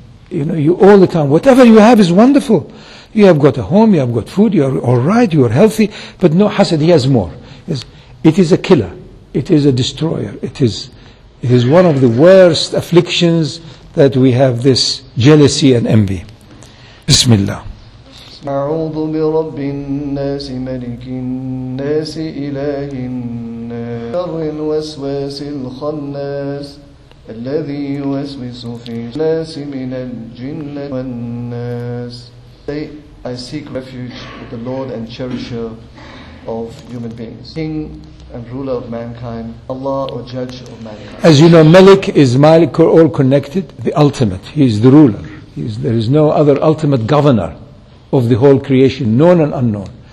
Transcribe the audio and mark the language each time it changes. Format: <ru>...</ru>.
<en>You know, you all the time, whatever you have is wonderful. You have got a home, you have got food, you are all right, you are healthy, but no, hasad, he has more. It is a killer. It is a destroyer. It is one of the worst afflictions that we have, this jealousy and envy.</en> <ar>Bismillah. أعوذ برب الناس ملك الناس إله الناس شر الوسواس الخناس الذي يوسوس في الناس من الجنة والناس.</ar> <en>Say, I seek refuge with the Lord and Cherisher of human beings, King and Ruler of mankind, Allah or Judge of mankind. As you know, Malik is Malik, all connected, the ultimate. He is the ruler. There is no other ultimate governor of the whole creation, known and unknown.</en>